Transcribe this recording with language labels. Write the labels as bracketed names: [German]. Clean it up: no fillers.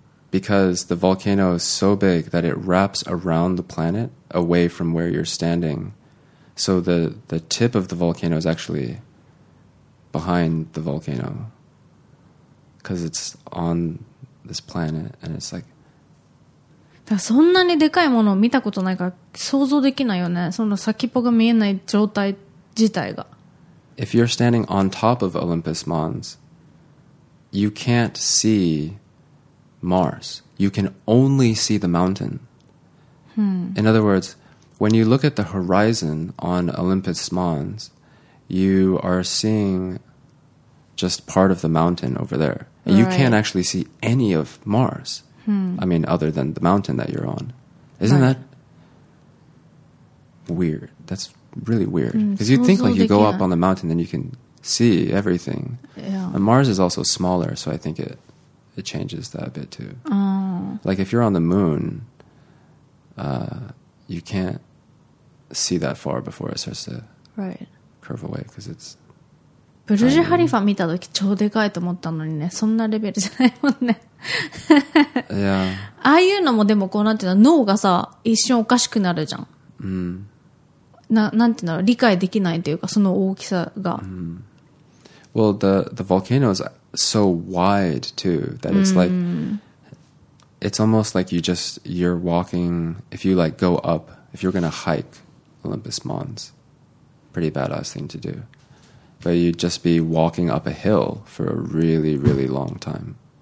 [English] Because the volcano is so big that it wraps around the planet away from where you're standing. So the tip of the volcano is actually behind the volcano. Because it's on this planet and it's like... [Japanese] そんなにでかいものを見たことないから想像できないよね。その先っぽが見えない状態自体が。 [English] If you're standing on top of Olympus Mons, you can't see... Mars. You can only see the mountain. In other words, when you look at the horizon on Olympus Mons, you are seeing just part of the mountain over there. Right. You can't actually see any of Mars. Hmm. I mean, other than the mountain that you're on. Isn't that weird? That's really weird. Because you think like you go up on the mountain and you can see everything. Yeah. And Mars is also smaller, so I think it changes that a bit too. Like if you're on the moon, you can't see that far before it starts to curve away because it's. [Japanese] ブルジュハリファ見た時超でかいと思ったのにね、そんなレベルじゃないもんね。 [English] Yeah. [Japanese] ああいうのもでもこうなんていうの、脳がさ一瞬おかしくなるじゃん。なんていうの、理解できないというかその大きさが。 [English] Well, the volcano is so wide too that it's like it's almost like you're walking. If you like go up, if you're gonna hike Olympus Mons, pretty badass thing to do. But you'd just be walking up a hill for a really, really long time.